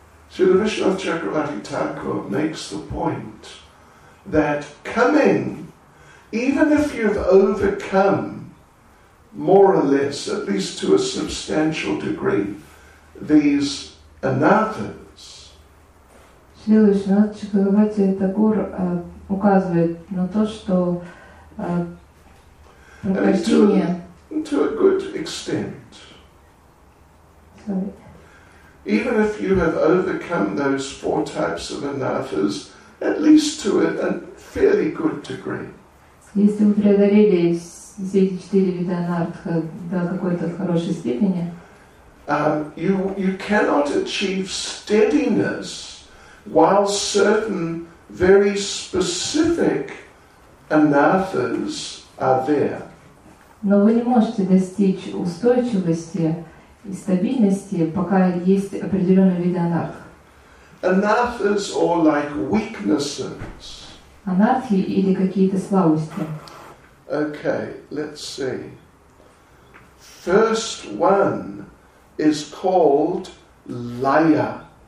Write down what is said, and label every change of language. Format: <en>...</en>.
<en>So the Vishnu of Chakravarti Thakur makes the point that coming, even if you've overcome more or less, at least to a substantial degree, these anathas.</en> <ru>Шрила Вишнуната Чакраварти Тхакур указывает на то, что прохождение...</ru> <en>To a good extent. Sorry. Even if you have overcome those four types of anathas, at least to a fairly good degree.</en> <ru>Если вы преодолели все эти четыре вида анартха до какой-то хорошей степени,</ru> <en>You cannot achieve steadiness while certain very specific anathas are there.</en> <ru>Но вы не можете достичь устойчивости и стабильности, пока есть определенные виды анарх.</ru> <en>Anathas are like weaknesses.</en> <ru>Анархи или какие-то слабости.</ru> <en>Okay, let's see. First one is called Laya.</en>